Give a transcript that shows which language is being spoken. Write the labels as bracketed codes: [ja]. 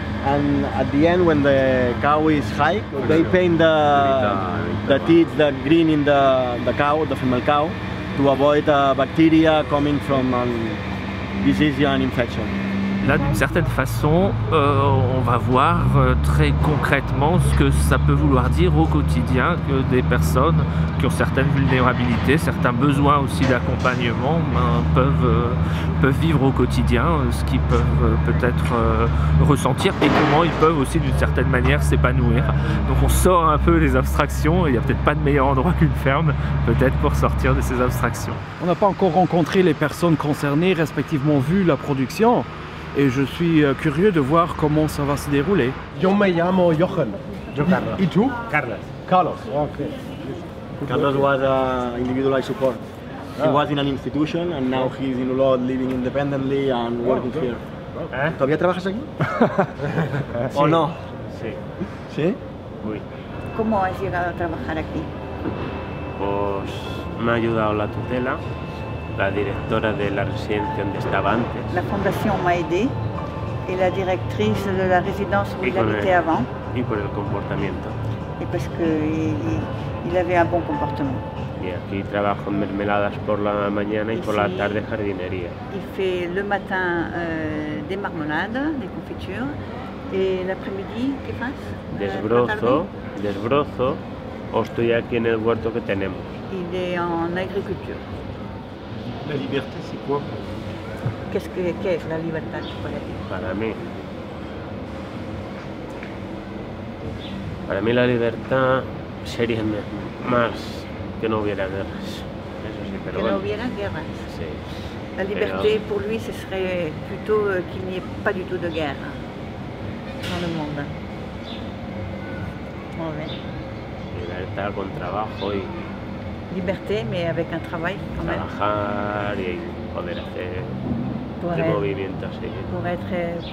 [en] And at the end, when the cow is high, they paint the teeth, the green in the cow, the female cow, to avoid bacteria coming from disease and infection. [fr] là, d'une certaine façon, on va voir très concrètement ce que ça peut vouloir dire au quotidien que des personnes qui ont certaines vulnérabilités, certains besoins aussi d'accompagnement, peuvent vivre au quotidien, ce qu'ils peuvent peut-être ressentir et comment ils peuvent aussi d'une certaine manière s'épanouir. Donc on sort un peu les abstractions, il n'y a peut-être pas de meilleur endroit qu'une ferme, peut-être pour sortir de ces abstractions. On n'a pas encore rencontré les personnes concernées, respectivement vu la production. Et je suis curieux de voir comment ça va se dérouler. [es] Yo me llamo Jochen. Yo Carlos. Y tú? Carlos. Carlos. [en] Okay. Carlos was individualized support. He was in an institution and now he's in a lot living independently and working here. [es] ¿Todavía trabajas aquí? ¿O no? Sí. ¿Sí? Uy. ¿Cómo has llegado a trabajar aquí? Pues me ha ayudado la tutela. La directora de la residencia donde estaba antes. La fundación [fr] m'a aidé y la directrice de la résidence où il habitait avant. [es] Y por el comportamiento. [fr] Y parce que il avait un bon comportement. [es] Y aquí trabajo en mermeladas por la mañana y por la tarde jardinería. [fr] Il fait le matin des marmelades, des confitures, et l'après-midi, [es] ¿qué fas? Desbrozo, o estoy aquí en el huerto que tenemos. [fr] Il est en agriculture. La liberté, c'est quoi pour vous? Qu'est-ce que la liberté pour vous? [es] Para mí la liberté sería más que no hubiera guerras. Eso sí, pero que no hubiera guerras. Sí. [fr] La liberté pour lui, ce serait plutôt qu'il n'y ait pas du tout de guerre dans le monde. Mauvais. [es] Liberté con trabajo y. [fr] Liberté, mais avec un travail quand même. [es] Trabajar y poder hacer movimiento, sí.